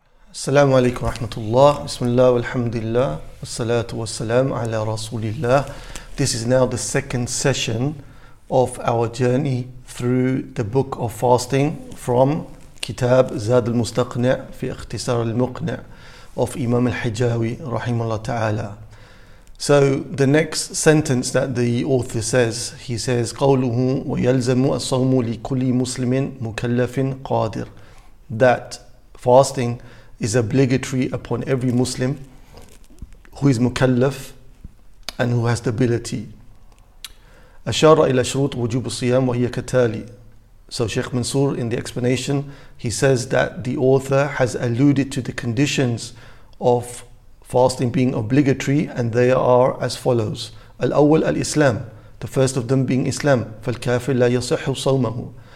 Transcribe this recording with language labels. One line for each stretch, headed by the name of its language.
Arabic: السلام عليكم ورحمة الله بسم الله والحمد لله والصلاة والسلام على رسول الله.
English: This is now the second session of our journey through the book of fasting from كتاب زاد المستقنع في اختصار المقنع of Imam al-Hijawi
Arabic: رحمه الله تعالى.
English: So the next sentence that the author says, he says
Arabic: قوله ويلزم الصوم لكل مسلم مكلف قادر,
English: that fasting is obligatory upon every Muslim who is mukallaf and who has the ability.
Arabic: أشار إلى شروط وجوب الصيام وهي كتالي.
English: So Sheikh Mansour, in the explanation, he says that the author has alluded to the conditions of fasting being obligatory, and they are as follows.
Arabic: الأول الإسلام,
English: the first of them being Islam.
Arabic: فالكافر لا يصح صومه.